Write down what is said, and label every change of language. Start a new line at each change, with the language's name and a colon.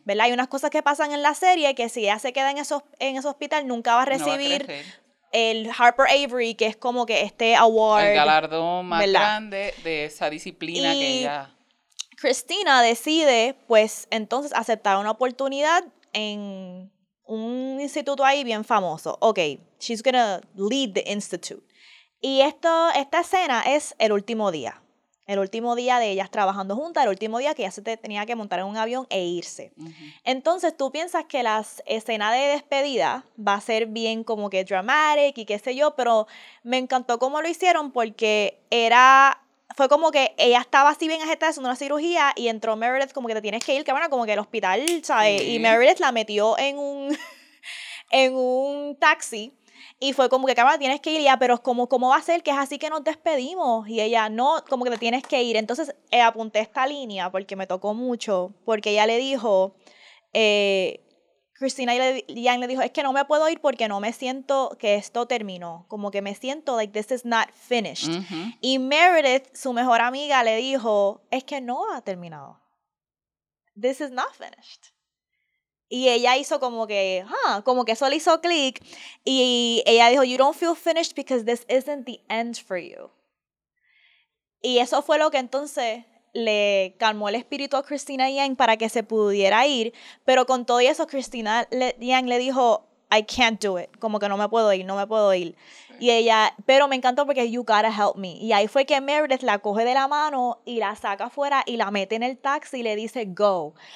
Spanish: ¿Verdad? Hay unas cosas que pasan en la serie que si ella se queda en ese hospital, nunca va a recibir el Harper Avery, que es como que este award. El galardón más grande de esa disciplina que ella... Christina decide, pues, entonces aceptar una oportunidad en un instituto ahí bien famoso.
English: Ok, she's gonna lead the institute.
Spanish: Y esta escena es el último día. El último día de ellas trabajando juntas, el último día que ella tenía que montar en un avión e irse. Uh-huh. Entonces, tú piensas que la escena de despedida va a ser bien como que dramatic y qué sé yo, pero me encantó cómo lo hicieron porque fue como que ella estaba así bien agitada haciendo una cirugía y entró Meredith como que te tienes que ir, que bueno, como que el hospital, ¿sabes? Uh-huh. Y Meredith la metió en un taxi. Y fue como que, cámara, tienes que ir ya, pero ¿cómo va a ser que es así que nos despedimos? Y ella, no, como que te tienes que ir. Entonces, apunté esta línea porque me tocó mucho, porque ella le dijo, Christina Yang le dijo, es que no me puedo ir porque no me siento que esto terminó. Como que me siento
English: like this is not finished. Uh-huh.
Spanish: Y Meredith, su mejor amiga, le dijo, es que no ha terminado.
English: This is not finished.
Spanish: Y ella hizo como que eso le hizo clic. Y ella dijo,
English: you don't feel finished because this isn't the end for you.
Spanish: Y eso fue lo que entonces le calmó el espíritu a Christina Yang para que se pudiera ir. Pero con todo eso, Christina Yang le dijo,
English: I can't do it.
Spanish: Como que no me puedo ir, no me puedo ir. Y ella, pero me encantó porque
English: you gotta help me.
Spanish: Y ahí fue que Meredith la coge de la mano y la saca afuera y la mete en el taxi y le dice
English: go.